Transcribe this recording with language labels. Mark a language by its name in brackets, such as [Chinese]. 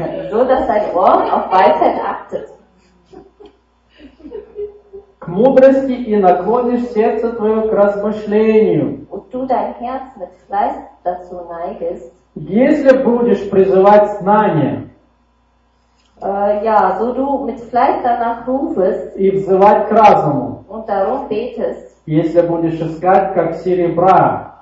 [German] so dass dein Ohr auf Weisheit achtet. [Russian] К мудрости и наклонишь сердце твое к размышлению. [German] Und du dein Herz mit Fleiß dazu neigest. [Russian] Если будешь призывать знания. [German] Ja, so du mit Fleiß danach rufest. [Russian] И взывать к разуму. [German] Und darum betest. [Russian] Если будешь искать как серебра,